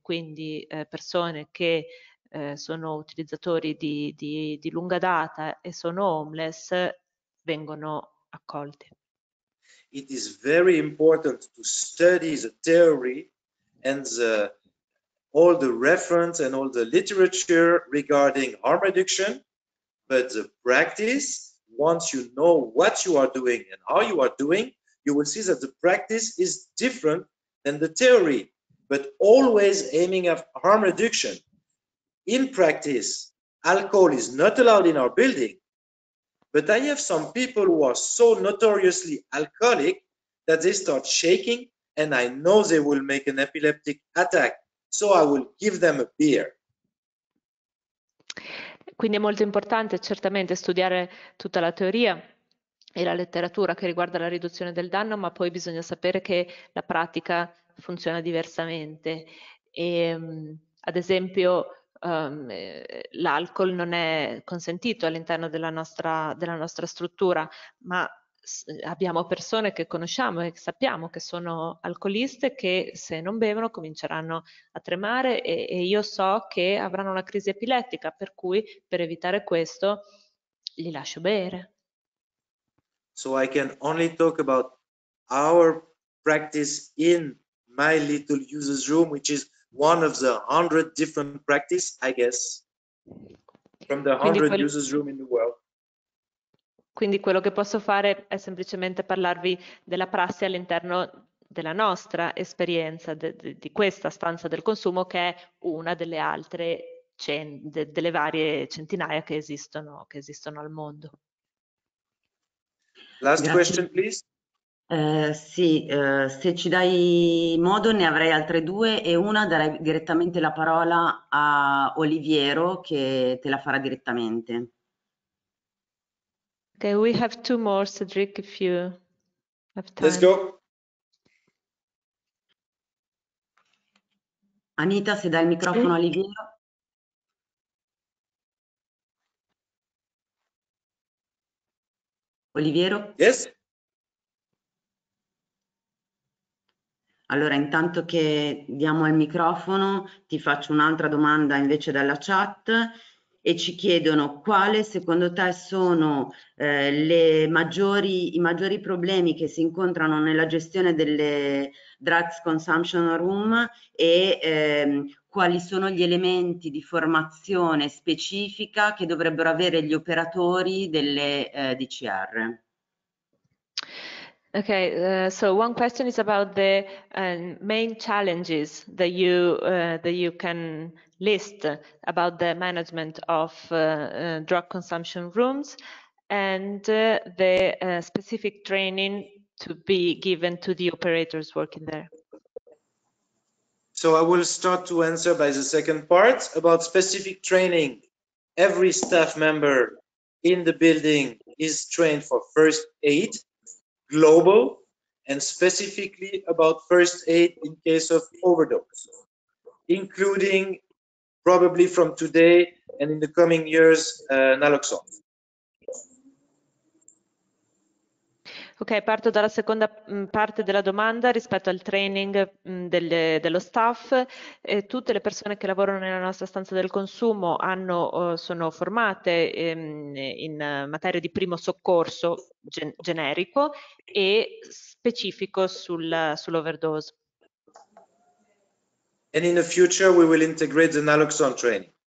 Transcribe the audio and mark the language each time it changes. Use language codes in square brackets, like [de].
[it] Quindi persone che sono utilizzatori di lunga data e sono homeless vengono accolte. [en] It is very important to study the theory and all the reference and all the literature regarding harm reduction, but the practice once you know what you are doing and how you are doing, you will see that the practice is different than the theory, but always aiming at harm reduction. In practice, alcohol is not allowed in our building, but I have some people who are so notoriously alcoholic that they start shaking, and I know they will make an epileptic attack, so I will give them a beer. [it] Quindi è molto importante certamente studiare tutta la teoria e la letteratura che riguarda la riduzione del danno, ma poi bisogna sapere che la pratica funziona diversamente. E, ad esempio, l'alcol non è consentito all'interno della nostra struttura, ma abbiamo persone che conosciamo e sappiamo che sono alcoliste che se non bevono cominceranno a tremare e io so che avranno una crisi epilettica, per cui per evitare questo li lascio bere. [en] So I can only talk about our practice in my little user's room, which is one of the 100 different practice, I guess, from the 100 user's room in the world. [it] Quindi quello che posso fare è semplicemente parlarvi della prassi all'interno della nostra esperienza, di questa stanza del consumo, che è una delle altre delle varie centinaia che esistono al mondo. [en] Last Grazie. Question, please. [it] Sì, se ci dai modo ne avrei altre due e una darei direttamente la parola a Oliviero che te la farà direttamente. [en] Okay, we have two more, Cedric, if you have time. Let's go. [it] Anita, se dai il microfono a Oliviero. Oliviero? [en] Yes. [it] Allora, intanto che diamo il microfono, ti faccio un'altra domanda invece dalla chat. E ci chiedono quale secondo te sono i maggiori problemi che si incontrano nella gestione delle drugs consumption room e quali sono gli elementi di formazione specifica che dovrebbero avere gli operatori delle DCR. [en] Okay, so one question is about the main challenges that you can list about the management of drug consumption rooms and the specific training to be given to the operators working there. So I will start to answer by the second part about specific training. Every staff member in the building is trained for first aid. Global and specifically about first aid in case of overdose, including probably from today and in the coming years, naloxone. [it] Ok, parto dalla seconda parte della domanda rispetto al training dello staff. Tutte le persone che lavorano nella nostra stanza del consumo sono formate in materia di primo soccorso generico e specifico sull'overdose. [en] And in the future we will integrate the naloxone training.